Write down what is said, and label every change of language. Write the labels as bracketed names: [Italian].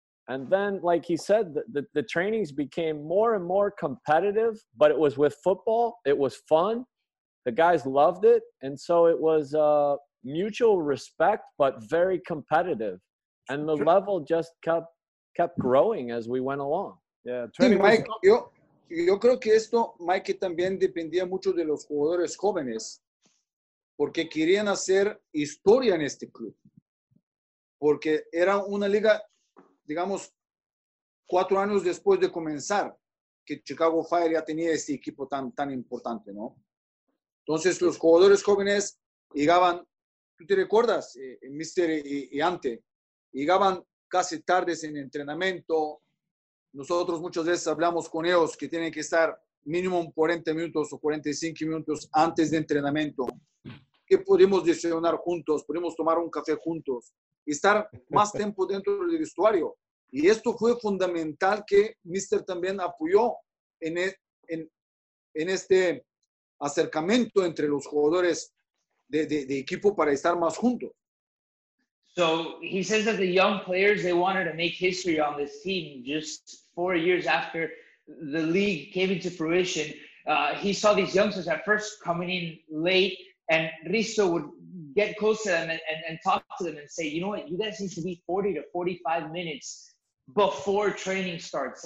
[English] And then, like he said, the trainings became more and more competitive, but it was with football. It was fun. The guys loved it. And so it was, mutual respect, but very competitive. And the level just kept growing as we went along. Yeah. [Spanish] Sí, Mike, yo creo que esto, Mike, también dependía mucho de los jugadores jóvenes, porque querían hacer historia en este club. Porque era una liga, digamos, 4 años después de comenzar, que Chicago Fire ya tenía este equipo tan, tan importante, ¿no? Entonces, los jugadores jóvenes llegaban, ¿tú te recuerdas, Mister y Ante? Llegaban casi tardes en entrenamiento. Nosotros muchas veces hablamos con ellos que tienen que estar mínimo 40 minutos o 45 minutos antes de entrenamiento. Que podemos desayunar juntos, podemos tomar un café juntos. Estar más tiempo dentro del vestuario. Y esto fue fundamental que Mister también apoyó en este acercamiento entre los jugadores de equipo para estar más juntos. [English] So he says that the young players, they wanted to make history on this team just 4 years after the league came into fruition. He saw these youngsters at first coming in late, and Risto would get close to them and talk to them and say, you know what, you guys need to be 40 to 45 minutes before training starts.